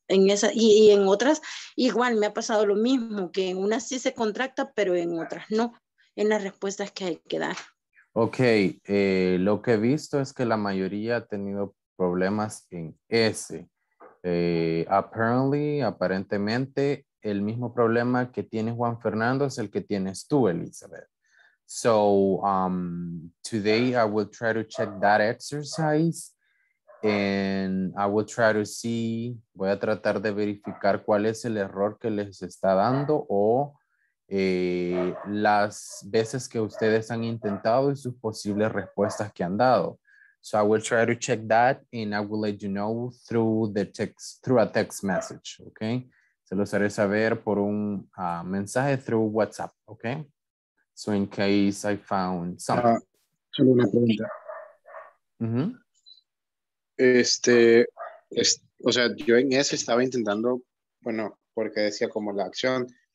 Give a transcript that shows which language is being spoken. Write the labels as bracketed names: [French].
[Spanish] Y en otras igual me ha pasado lo mismo, que en unas sí se contracta, pero en otras no, en las respuestas que hay que dar. Ok, lo que he visto es que la mayoría ha tenido problemas en ese. Aparentemente, el mismo problema que tiene Juan Fernando es el que tienes tú, Elizabeth. [English] So, today I will try to check that exercise. And I will try to see, [Spanish] voy a tratar de verificar cuál es el error que les está dando o las veces que ustedes han intentado y sus posibles respuestas que han dado. [English] So I will try to check that and I will let you know through the text, through a text message, okay? [Spanish] Se los haré saber por un mensaje [English] through WhatsApp, [Spanish] okay? [English] So in case I found something. [Spanish] Solo una pregunta. Mm-hmm. O sea, yo en ese estaba intentando, bueno, porque decía como la acción.